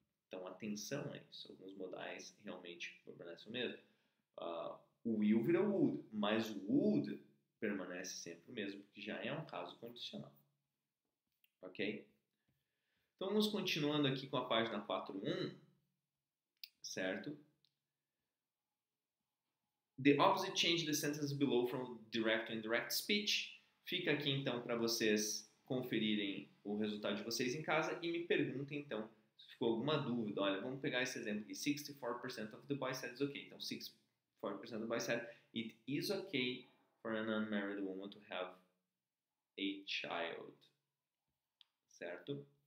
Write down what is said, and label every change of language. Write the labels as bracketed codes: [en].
[pt] Então, atenção a isso. Alguns modais realmente permanecem o mesmo. O will vira would, mas o would permanece sempre o mesmo, porque já é um caso condicional. Ok? Então, vamos continuando aqui com a página 4.1, certo? [en] The opposite change the sentence below from direct to indirect speech. [pt] Fica aqui, então, para vocês conferirem o resultado de vocês em casa e me perguntem, então, se ficou alguma dúvida. Olha, vamos pegar esse exemplo aqui. [en] 64% of the boys said it's okay. Então, 64% of the boys said it is okay for an unmarried woman to have a child. Certo?